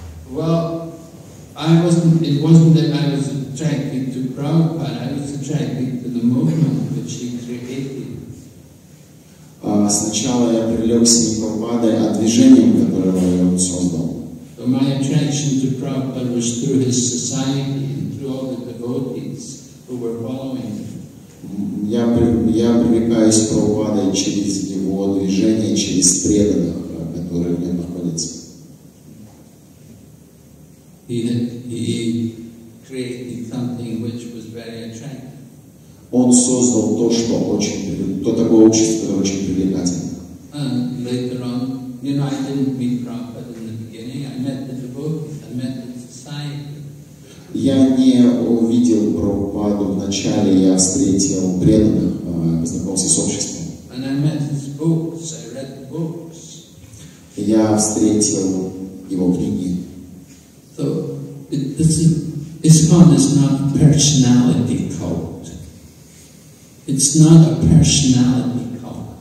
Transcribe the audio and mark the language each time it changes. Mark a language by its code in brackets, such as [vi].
[en] Well, it wasn't that I was attracted to Prabhupada, I was attracted to the movement which he created. [ru] Сначала я привлекся не Прабхупадой, а движением, которое он создал. [en] So my attraction to Prabhupada was through his society and through all the devotees. Who were following him. [ru] Я привлекаюсь к Прабхупаде через его движение, через преданных, которые в нем находятся. [en] He created something which was very attractive. [ru] Он создал то, что очень, то такое общество, которое очень привлекательно. [en] And later on, you know, I didn't meet Prabhupada in the beginning. I met the devotees. I met the society. [ru] Я не увидел Прабхупаду в начале, я встретил преданных, познакомился с обществом. [en] And I met his books, I read the books. [ru] Я встретил его книги. [en] So, ISKCON is not a personality cult. It's not a personality cult.